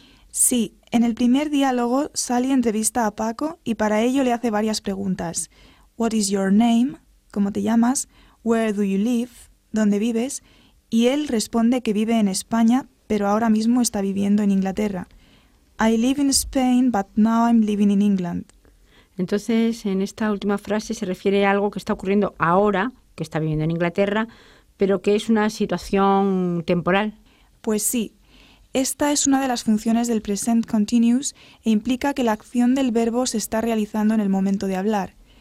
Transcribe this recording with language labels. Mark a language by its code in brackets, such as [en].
[es] Sí, en el primer diálogo Sally entrevista a Paco y para ello le hace varias preguntas. [en] What is your name? [es] ¿Cómo te llamas? [en] Where do you live? [es] ¿Dónde vives? Y él responde que vive en España, pero ahora mismo está viviendo en Inglaterra. [en] I live in Spain, but now I'm living in England. [es] Entonces, en esta última frase se refiere a algo que está ocurriendo ahora, que está viviendo en Inglaterra, pero que es una situación temporal. Pues sí. Esta es una de las funciones del present continuous e implica que la acción del verbo se está realizando en el momento de hablar.